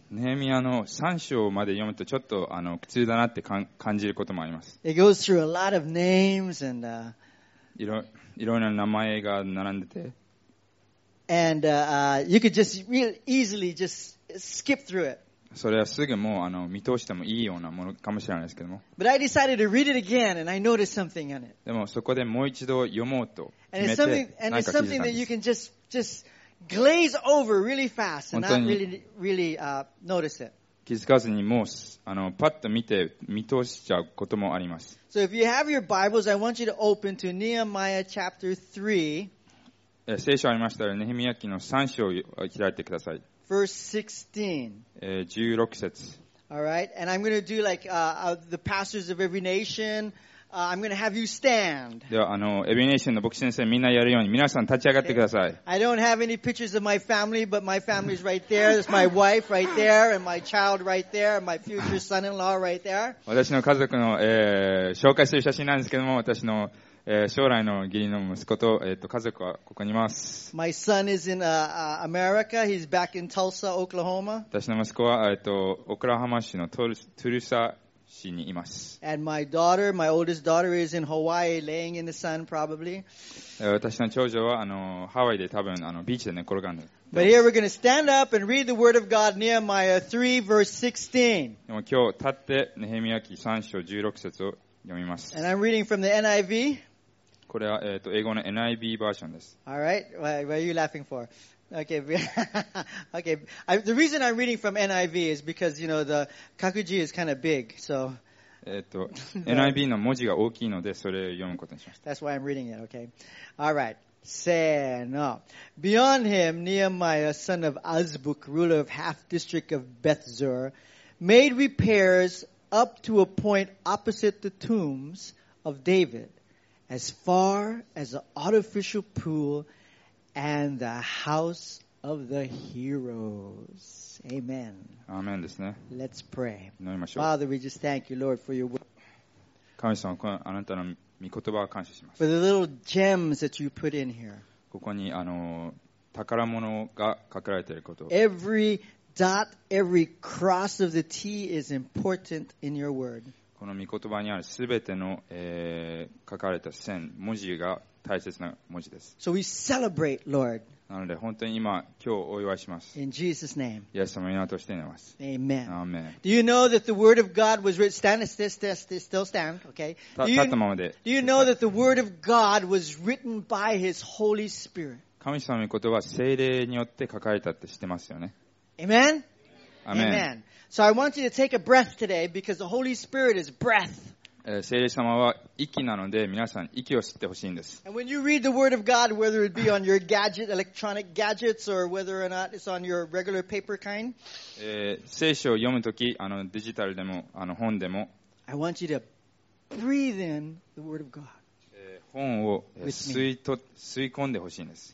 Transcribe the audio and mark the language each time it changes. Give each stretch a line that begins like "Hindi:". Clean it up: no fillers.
Japanese: ネヘミヤの3章まで読むとちょっと苦痛だなって感じることもあります。
English: It goes through a lot of names and...
Japanese: いろんな名前が並んでて。
English: And you could just really easily just skip through it.
Japanese: それはすぐもう見通してもいいようなものかもしれないですけども。
English: But I decided to read it again, and I noticed something in it.
Japanese: でもそこでもう一度読もうと決めて何か気づいたんです。
English: And it's something, that you can just glaze over really fast and not really notice it.
Japanese: 気づかずにもうパッと見て見通しちゃうこともあります。
English: So if you have your Bibles, I want you to open to Nehemiah chapter 3.
Japanese: 聖書ありましたらネヘミヤ記の3章を開いてください。
English: Verse 16
Japanese: 節。
English: Alright, and I'm going to do like the pastors of every nation. I'm going to have you stand.
Japanese: ではEvery Nationの牧師先生みんなやるように皆さん立ち上がってください。
English: I don't have any pictures of my family, but my family's right there. There's my wife right there, and my child right there, and my future son-in-law right there.
Japanese: 私の家族の、紹介する写真なんですけども、私の将来の義理の息子 と,、家族はここにいます。
English: My son is in America. He's back in Tulsa, Oklahoma.
Japanese: 私の息子は、オクラハマ市のトゥルサ市にいます。
English: And my daughter, my oldest daughter is in Hawaii, laying in the sun, probably.
Japanese: 私の長女はハワイで多分ビーチで寝転がんでいます。
English: But here we're going to stand up and read the word of God, Nehemiah 3, verse 16.
Japanese: でも今日立って、ネヘミヤ記3章16節を読みます。
English: And I'm reading from the NIV.
Japanese: これは英語の NIV バージョンです。
English: All right, what are you laughing for? Okay, okay. The reason I'm reading from NIV is because you know the 各字 is kind of big, so.
Japanese: NIV の文字が大きいので、それを読むことにしました。
English: That's why I'm reading it. Okay. All right.
Japanese: せーの。
English: Beyond him, Nehemiah, son of Azbuk, ruler of half district of Bethzur, made repairs up to a point opposite the tombs of David, as far as the artificial pool and the house of the heroes. Amen.
Japanese: Amen ですね。
English: Let's pray.
Japanese: 祈りましょう。
English: Father, we just thank you, Lord, for your word.
Japanese: 神様、このあなたの御言葉を感謝します。
English: For the little gems that you put in here.
Japanese: ここに宝物が隠れていること。
English: Every dot, every cross of the T is important in your word.
Japanese: この御言葉にあるすべての、書かれた線、文字が大切な文字です。
English: So we celebrate, Lord.
Japanese: なので本当に今今日お祝いします。
English: In Jesus name.
Japanese: イエス様の名として祈ります。
English: Amen. Amen. Do you know that the word of God was written? Stand, still stand, okay?
Japanese: 立ったままで。
English: Do you know that the word of God was written by His Holy Spirit?
Japanese: 神様の言葉は聖霊によって書かれたって知ってますよね。
English: Amen. Amen. Amen. So I want you to take a breath today because the Holy Spirit is breath.
Japanese: 聖霊様は息なので皆さん息を吸ってほしいんです。
English: And when you read the word of God, whether it be on your gadget, electronic gadgets, or whether or not it's on your regular paper kind,
Japanese: 聖書を読むとき、デジタルでも、本でも、
English: I want you to breathe in the word of God.
Japanese: 本を吸い込んでほしいんです。